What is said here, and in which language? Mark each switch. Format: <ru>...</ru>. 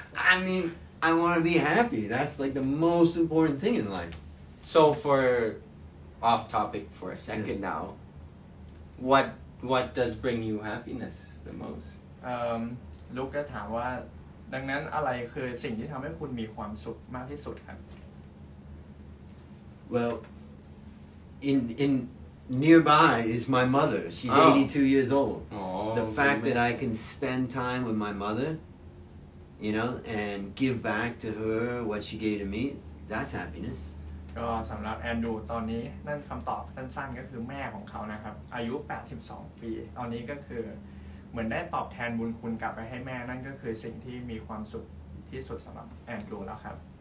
<en>I mean I want to be happy that's like the most important thing in life so for off topic for a second now what does bring you happiness the most</en> <th>ลูกก็ถามว่าดังนั้นอะไรคือสิ่งที่ทำให้คุณมีความสุขมากที่สุดครับ</th> <en>Well, in nearby is my mother. She's 82 years old. Oh, the fact that I can spend time with my mother, you know, and give back to her what she gave to me, that's happiness.</en> <th>ก็สำหรับแอนดูตอนนี้นั่นคำตอบสั้นๆก็คือแม่ของเขานะครับอายุ82ปีตอนนี้ก็คือเหมือนได้ตอบแทนบุญคุณกลับไปให้แม่นั่นก็คือสิ่งที่มีความสุขที่สุดสำหรับแอนดูแล้วครับ</th>